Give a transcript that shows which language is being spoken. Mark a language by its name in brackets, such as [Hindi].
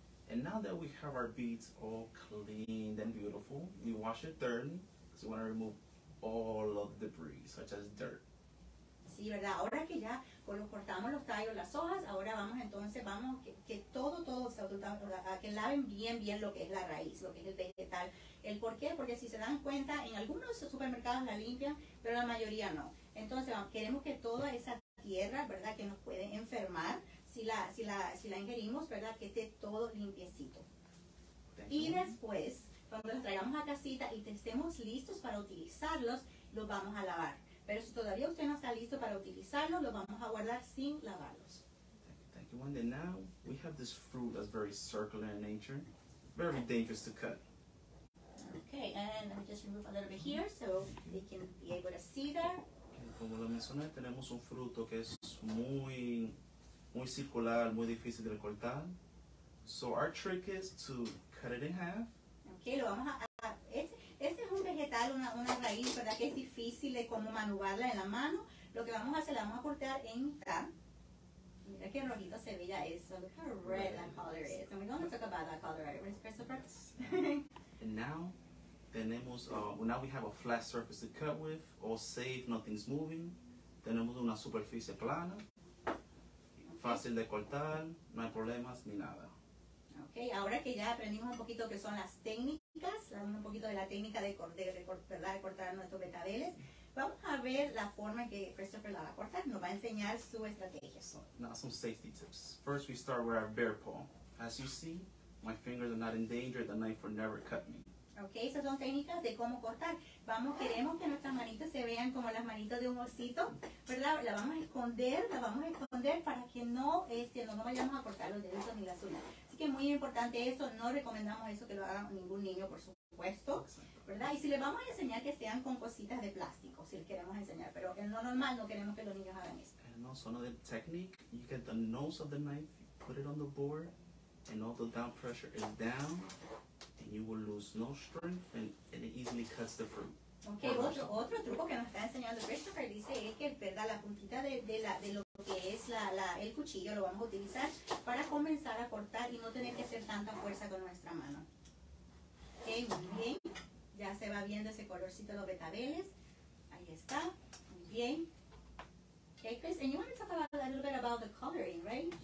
[English] And now that we have our beets all cleaned and beautiful, we wash it thoroughly because we want to remove all of the debris, such as dirt. [Spanish] Sí, verdad. Ahora que ya cortamos los tallos, las hojas, ahora vamos que todo se que laven bien lo que es la raíz, lo que es el vegetal. ¿El por qué? Porque si se dan cuenta, en algunos supermercados la limpian, pero la mayoría no. Entonces, queremos que toda esa tierra, ¿verdad?, que nos puede enfermar, si la ingerimos, ¿verdad?, que esté todo limpiecito. Y después, Cuando los traigamos a casita y estemos listos para utilizarlos, los vamos a lavar. Pero si todavía usted no está listo para utilizarlos, los vamos a guardar sin lavarlos. [English] Thank you, Wanda. Now we have this fruit that's very circular in nature, very dangerous to cut. Okay, and let me just remove a little bit here so they can be able to see there. [Spanish] Como lo mencioné, tenemos un fruto que es muy, muy circular, muy difícil de cortar. [English] So our trick is to cut it in half. [Spanish] Okay, lo vamos a este es un vegetal, una raíz, ¿verdad? Que es difícil de cómo manubrarla en la mano. Lo que vamos a hacer, la vamos a cortar en mitad. Mira qué rojito se ve ya eso. [English] Look how red that color is. And we're going to talk about that color, right? We're supposed to press. And now, [Spanish] tenemos, [English] now we have a flat surface to cut with, all safe, nothing's moving. [Spanish] Tenemos una superficie plana, fácil de cortar, no hay problemas ni nada. Ok, ahora que ya aprendimos un poquito qué son las técnicas, un poquito de la técnica de cortar nuestros betabeles, vamos a ver la forma en que Christopher la va a cortar, nos va a enseñar su estrategia. [English] So, now some safety tips. First we start with our bare palm. As you see, my fingers are not in danger, the knife will never cut me. [Spanish] Ok, esas son técnicas de cómo cortar. Vamos, queremos que nuestras manitas se vean como las manitas de un osito, ¿verdad? La vamos a esconder, la vamos a esconder para que no, no nos vayamos a cortar los deditos ni las uñas. Así que muy importante eso, no recomendamos eso que lo haga ningún niño, por supuesto, ¿verdad? Y si les vamos a enseñar que sean con cositas de plástico, si les queremos enseñar, pero en lo normal no queremos que los niños hagan eso. [English] No, son de technique, you get the nose of the knife, you put it on the board, and all the down pressure is down, and you will lose no strength, and it easily cuts the fruit. [Spanish] Okay, otro truco que nos está enseñando Christopher dice es que, ¿verdad?, la puntita de lo que es el cuchillo lo vamos a utilizar para comenzar a cortar y no tener que hacer tanta fuerza con nuestra mano. Okay, muy bien. Ya se va viendo ese colorcito de los betabeles. Ahí está. Muy bien. [English] Okay, Chris, and you want to talk about a little bit about the coloring, right?